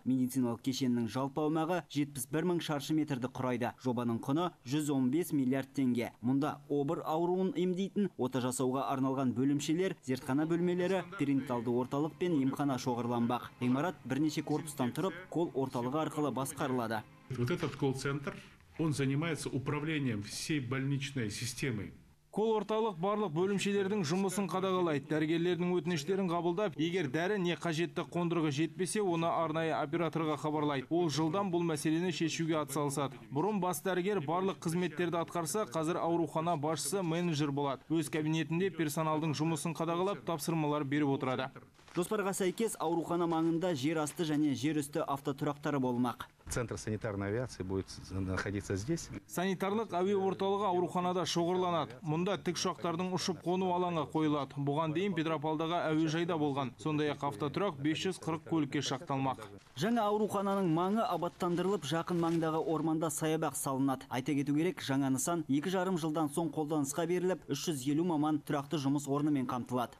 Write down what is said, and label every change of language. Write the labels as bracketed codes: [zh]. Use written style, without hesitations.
[kk] Медициналық кешеннің жалпы аумағы 71 мың шаршы метрді құрайды. Жобаның құны 115 миллиард теңге. Мұнда обыр ауруын емдейтін ота жасауға арналған бөлімше, зертхана бөлмелері, перинаталды орталық пен емхана шоғырланбақ. Ғимарат бірнеше корпустан тұрып, кол орталығы арқылы басқарылады. [ru] Вот этот кол-центр, он занимается управлением всей больничной системой. [kk] Кол орталық барлық бөлімшелердің жұмысын қадағалайды. Дәрігерлердің өтініштерін қабылдап, егер дәрі не қажетті қондырғы жетпесе, оны арнайы операторға хабарлайды. Ол жылдан бұл мәселені шешуге атсалысады. Бұрын бас дәрігер барлық қызметтерді атқарса, қазір аурухана басшысы менеджер болады. Өз кабинетінде персоналдың жұмысын қадағалап, тапсырмалар беріп отырады. Жоспарға сәйкес аурухана маңында жер асты және жер үсті автотұрақтары болмақ. [ru] центр санитарной авиации будет находиться здесь. [kk] Санитарлық ави орталығы ауруханада шоғырланады. Мұнда тік шақтардың ұшып қону алаңы қойылады. Бұған дейін Петропалдағы ави жайда болған. Сонда яқы автотұрақ 540 көлікке шақталмақ. Жаңа аурухананың маңы абаттандырылып, жақын маңдағы орманда саябақ салынады. Айта кету керек, жаңа нысан 2,5 жылдан соң қолданысқа беріліп, 350 маман тұрақты жұмыс орнымен қамтылады.